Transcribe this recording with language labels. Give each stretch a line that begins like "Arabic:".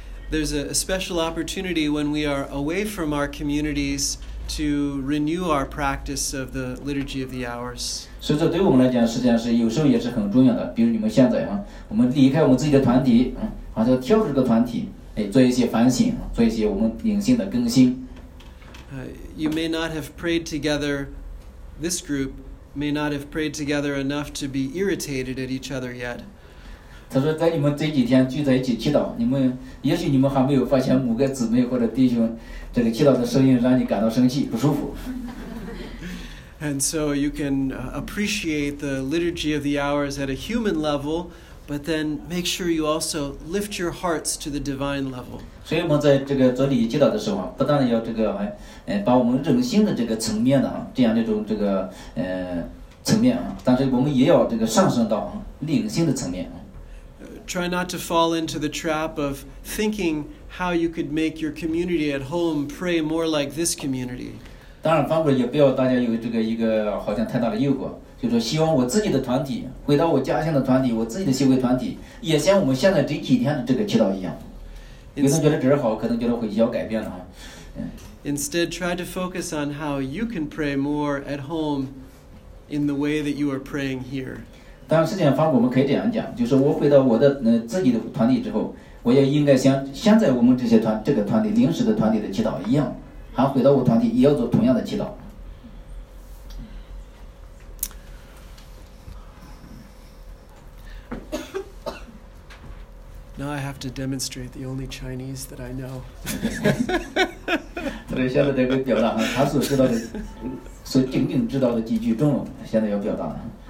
English: There's a special opportunity when we are away from our communities to renew our practice of the Liturgy of the Hours.
Chinese: 所以这对我们来讲实际上是有时候也是很重要的，比如你们现在我们离开我们自己的团体好像跳出这个团体做一些反省，做一些我们灵性的更新。
English: You may not have prayed together, this group may not have prayed together enough to be irritated at each other yet.
Chinese: 他说在你们这几天聚在一起祈祷，你们也许你们还没有发现某个姊妹或者弟兄这个祈祷的声音让你感到生气不舒服。
English: And so you can appreciate the liturgy of the hours at a human level, but then make sure you also lift your hearts to the divine level.
Chinese: 所以我们在这个做礼仪祈祷的时候不但要这个把我们人性的这个层面的这样的一种这个层面但是我们也要这个上升到灵性的层面。
English: Try not to fall into the trap of thinking how you could make your community at home pray more like this community.
Chinese: 当然反过来也不要大家有这个一个好像太大的诱惑，就是希望我自己的团体回到我家乡的团体，我自己的协会团体也像我们现在这几天的这个祈祷一样。
English: Instead, try to focus on how you can pray more at home in the way that you are praying here.
Chinese: 当事情发生我们可以这样讲，就是我回到我的自己的团体之后，我也应该像现在我们这些团这个团体临时的团体的祈祷一样，还回到我团体也要做同样的祈祷。
English: Now I have to demonstrate the only Chinese that I know.
Chinese: 对，现在得给表达哈，他所知道的，所仅仅知道的几句中文，现在要表达了。